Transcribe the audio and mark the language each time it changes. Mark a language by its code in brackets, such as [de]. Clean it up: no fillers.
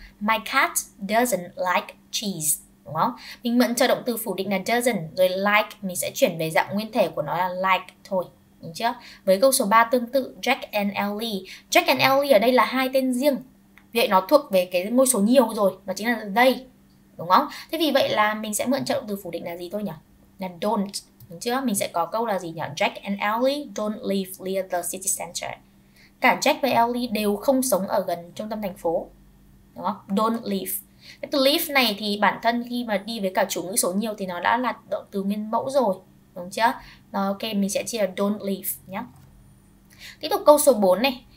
[en] My cat doesn't like cheese, [vi] đúng không? Mình mượn cho động từ phủ định là doesn't, rồi like mình sẽ chuyển về dạng nguyên thể của nó là like thôi, đúng chưa? Với câu số 3 tương tự, Jack and Ellie. Jack and Ellie ở đây là hai tên riêng, vậy nó thuộc về cái ngôi số nhiều rồi, nó chính là they, đúng không? Thế vì vậy là mình sẽ mượn cho động từ phủ định là gì thôi nhỉ? Là don't. Đúng chưa? Mình sẽ có câu là gì nhỉ? [en] Jack and Ellie don't live near the city center. [vi] Cả Jack và Ellie đều không sống ở gần trung tâm thành phố. Đúng không? Don't live. Cái từ live này thì bản thân khi mà đi với cả chủ ngữ số nhiều thì nó đã là động từ nguyên mẫu rồi. Đúng chưa? Rồi ok, mình sẽ chia là don't live nhé. Tiếp tục câu số 4 này.